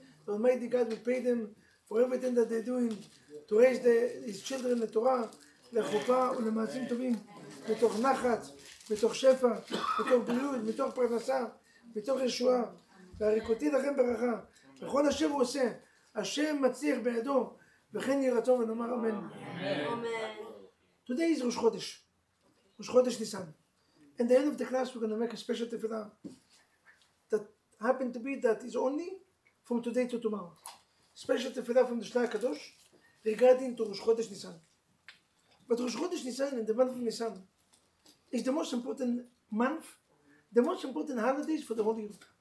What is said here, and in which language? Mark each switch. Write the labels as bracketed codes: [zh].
[en] The Almighty God will pay them for everything that they're doing to raise his children in the Torah, [he] לחופה ולמעצים טובים, מתוך נחת, מתוך שפע, מתוך בריאות, מתוך פרנסה, מתוך ישועה. והריקותי לכם ברכה, וכל אשר הוא עושה, השם מצליח בידו, וכן יהי רצון ונאמר אמן. [en] Today is Rosh Chodesh, Rosh Chodesh Nisan. And the end of the class, we're going to make a special tefillah that happened to be that is only from today to tomorrow. Special tefillah from the Shlach HaKadosh regarding to Rosh Chodesh Nisan. But Rosh Chodesh Nisan and the month of Nisan is the most important month, the most important holidays for the whole year.